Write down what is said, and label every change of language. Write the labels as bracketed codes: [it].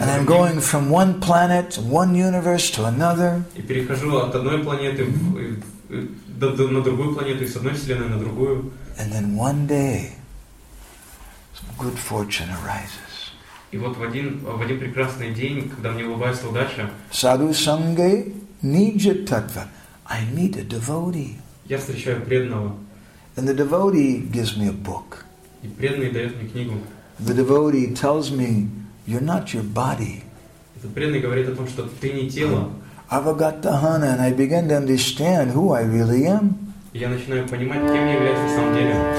[en] And I'm going from one planet, one universe to another. [ru] И перехожу от одной планеты на другую планету и с одной вселенной на другую. [en] And then one day, some good fortune arises. [ru] И вот в один прекрасный день, когда мне улыбается удача. [bn] Sadhu sanghe nija tattva. [en] I meet a devotee. [ru] Я встречаю преданного. [en] And the devotee gives me a book. [ru] И преданный дает мне книгу. [en] The devotee tells me, "You're not your body." [ru] Этот преданный говорит о том, что ты не тело. [bn] Avagatahana, [en] and I begin to understand who I really am. [ru] Я начинаю понимать, кем я являюсь на самом деле.